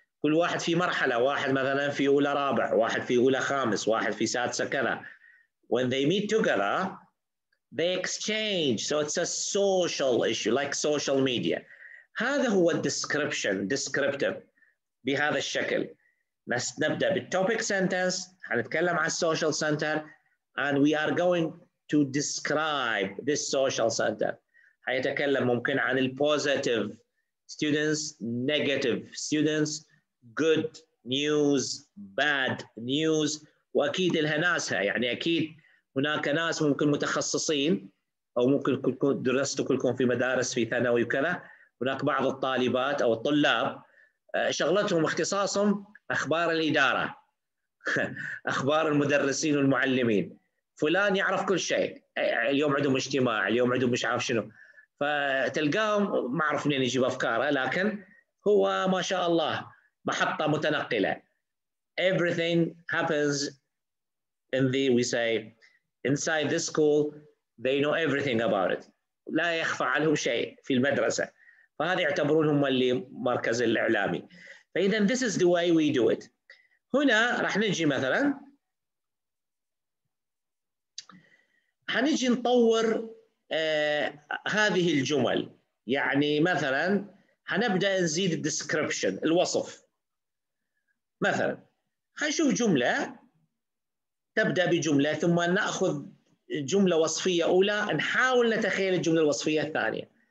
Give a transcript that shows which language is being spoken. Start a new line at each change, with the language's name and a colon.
Arabic: كل واحد في مرحلة، واحد مثلا في أولى رابع، واحد في أولى خامس، واحد في سادسة كذا.
English: When they meet together, they exchange. So it's a social issue, like social media.
Arabic: هذا هو الديسكريبشن، ديسكريبتيف بهذا الشكل. نبدأ بالtopic sentence، هنتكلم عن السوشيال سنتر،
English: and we are going to describe this social center.
Arabic: هيتكلم ممكن عن البوزيتيف students، negative students،
English: good news، bad news،
Arabic: وأكيد لها ناسها، يعني أكيد هناك ناس ممكن متخصصين، أو ممكن درستوا كلكم في مدارس في ثانوي وكذا، هناك بعض الطالبات أو الطلاب شغلتهم اختصاصهم أخبار الإدارة، أخبار المدرسين والمعلمين، فلان يعرف كل شيء، اليوم عندهم اجتماع، اليوم عندهم مش عارف شنو، فتلقاهم ما أعرف منين يجيب أفكاره، لكن هو ما شاء الله محطة متنقلة.
English: Everything happens in the, we say, inside this school, they know everything about it.
Arabic: لا يخفى عليهم شيء في المدرسة. فهذا يعتبرون هم اللي مركز الإعلامي.
English: فإذا this is the way we do it.
Arabic: هنا راح نجي مثلا هنجي نطور هذه الجمل، يعني مثلا هنبدأ نزيد الديسكريبشن الوصف. مثلا هنشوف جملة تبدأ بجملة، ثم نأخذ جملة وصفية أولى نحاول نتخيل الجملة الوصفية الثانية.